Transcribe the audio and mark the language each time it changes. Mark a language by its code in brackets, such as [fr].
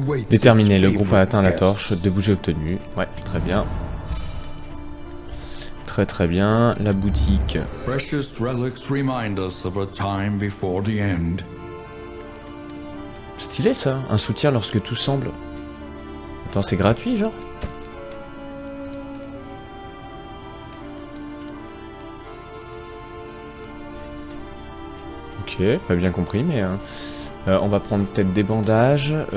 [fr] Déterminé, le groupe a atteint la torche, 2 bougies obtenues. Ouais, très bien. Très très bien, la boutique. [en] Precious relics remind us of a time before the end. [fr] Stylé ça, un soutien lorsque tout semble. Attends, c'est gratuit genre. Ok, pas bien compris mais... on va prendre peut-être des bandages.